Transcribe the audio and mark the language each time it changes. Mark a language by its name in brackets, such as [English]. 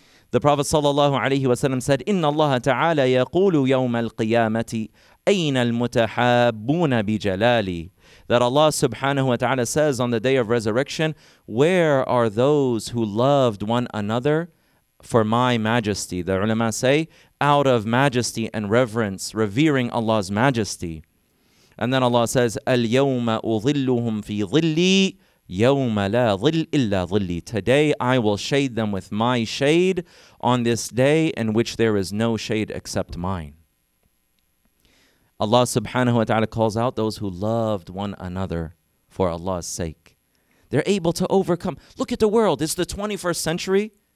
[English] The Prophet sallallahu alayhi wa sallam said, [Arabic] إِنَّ اللَّهَ تَعَالَى يَقُولُ يَوْمَ الْقِيَامَةِ أَيْنَ الْمُتَحَابُّونَ بِجَلَالِي. [English] That Allah subhanahu wa ta'ala says on the day of resurrection, where are those who loved one another for my majesty? The ulama say, out of majesty and reverence, revering Allah's majesty. And then Allah says, [Arabic] الْيَوْمَ أُظِلُّهُمْ فِي ظِلِّي يَوْمَ لَا ظِلْ إِلَّا ظِلِّي. [English] Today I will shade them with my shade on this day in which there is no shade except mine. Allah subhanahu wa ta'ala calls out those who loved one another for Allah's sake. They're able to overcome. Look at the world. It's the 21st century.